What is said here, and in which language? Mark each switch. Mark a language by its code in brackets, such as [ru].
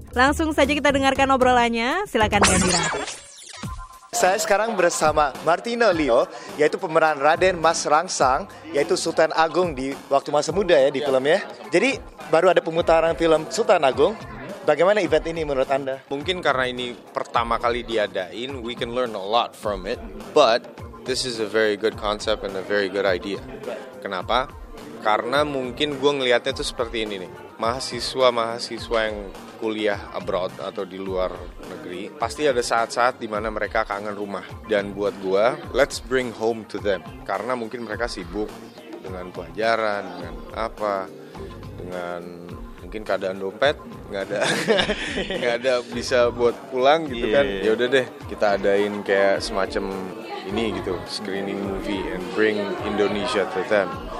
[id] Langsung saja kita dengarkan obrolannya, silakan Gandhira. Saya sekarang bersama Martino Leo, yaitu pemeran Raden Mas Rangsang, yaitu Sultan Agung di waktu masa muda ya di film ya. Jadi baru ada pemutaran film Sultan Agung. Bagaimana event ini menurut Anda? Mungkin karena ini pertama kali diadain, [en] we can learn a lot from it. But this is a very good concept and a very good idea. [id] Kenapa? Karena mungkin gue ngelihatnya tuh seperti ini nih. Mahasiswa-mahasiswa yang kuliah abroad atau di luar negeri, pasti ada saat-saat di mana mereka kangen rumah. Dan buat gue, [en] let's bring home to them. [id] Karena mungkin mereka sibuk dengan pelajaran, dengan apa, dengan mungkin keadaan dompet nggak ada bisa buat pulang gitu kan. Ya udah deh, kita adain kayak semacam ini gitu, [en] screening movie and bring Indonesia to them.